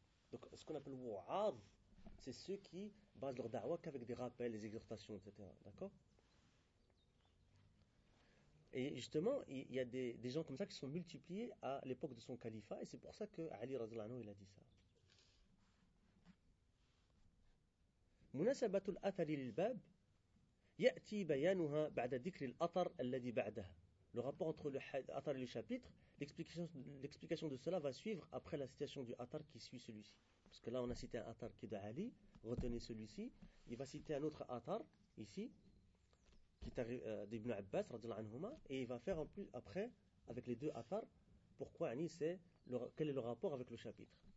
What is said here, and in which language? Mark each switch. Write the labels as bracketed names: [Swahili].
[French] Donc ce qu'on appelle wa'ad, c'est ceux qui basent leur da'wah qu'avec des rappels, des exhortations, etc. D'accord? Et justement, il y a des gens comme ça qui sont multipliés à l'époque de son califat, et c'est pour ça que Ali [Arabic] radhiallahu anhu, [French] il a dit ça. [Arabic] مناسبة الأثر للباب يأتي بيانها بعد ذكر الأثر الذي بعدها. [French] Le rapport entre l'Athar et le chapitre, l'explication de cela va suivre après la citation du Athar qui suit celui-ci. Parce que là, on a cité un Athar qui est de Ali, retenez celui-ci. Il va citer un autre Athar, ici, qui est d'Ibn Abbas, [Arabic] radiallahu anhuma, [French] et il va faire en plus, après, avec les deux Athar, pourquoi Ani, quel est le rapport avec le chapitre.